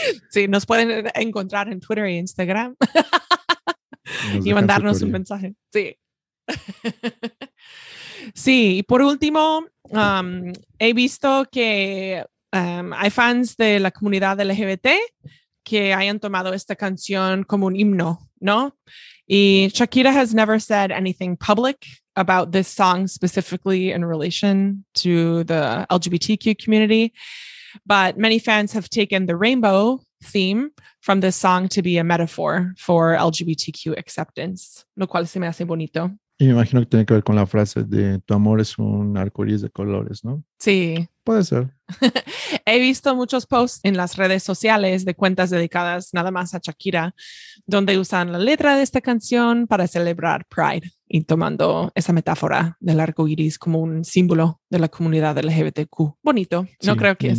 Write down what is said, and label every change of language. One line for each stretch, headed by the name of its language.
Spanish: Sí, nos pueden encontrar en Twitter e Instagram y mandarnos un mensaje. Sí. Sí, y por último, he visto que hay fans de la comunidad LGBT que hayan tomado esta canción como un himno, ¿no?
English: Y Shakira has never said anything public about this song specifically in relation to the LGBTQ community, but many fans have taken the rainbow theme from this song to be a metaphor for LGBTQ acceptance,
Spanish: lo cual se me hace bonito. Y me imagino que tiene que ver con la frase de tu amor es un arcoíris de colores, ¿no? Sí. Puede ser. He visto muchos posts en las redes sociales de cuentas dedicadas nada más a Shakira, donde usan la letra de esta canción para celebrar Pride y tomando esa metáfora del arcoíris como un símbolo de la comunidad LGBTQ. Bonito. No sí, creo que bien.